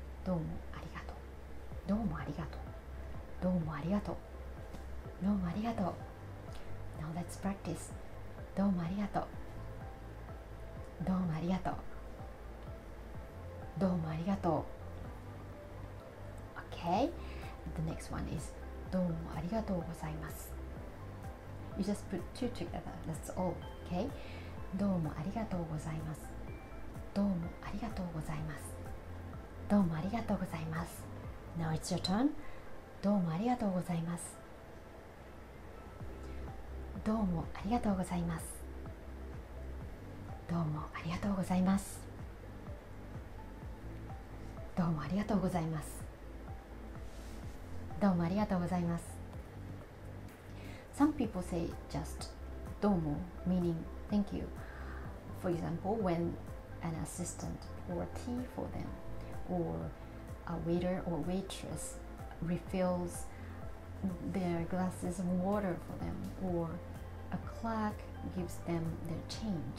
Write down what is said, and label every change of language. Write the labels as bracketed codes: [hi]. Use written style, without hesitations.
[ja] どうもありがとう。どうもありがとう。どうもありがとう。どうもありがとう。 [en] Now let's practice. [ja] どうもありがとう。どうもありがとう。どうもありがとう。 [en] Okay, the next one is [ja] どうもありがとうございます。 [en] You just put two together, that's all, okay? [ja] どうもありがとうございます。どうもありがとうございます。どうもありがとうございます。 [en] Now it's your turn. [ja] どうもありがとうございます。どうもありがとうございます。どうもありがとうございます。どうもありがとうございます。どうもありがとうございます。 [en] Some people say just domo, meaning thank you. For example, when an assistant pours tea for them, or a waiter or waitress refills their glasses of water for them, or a clerk gives them their change.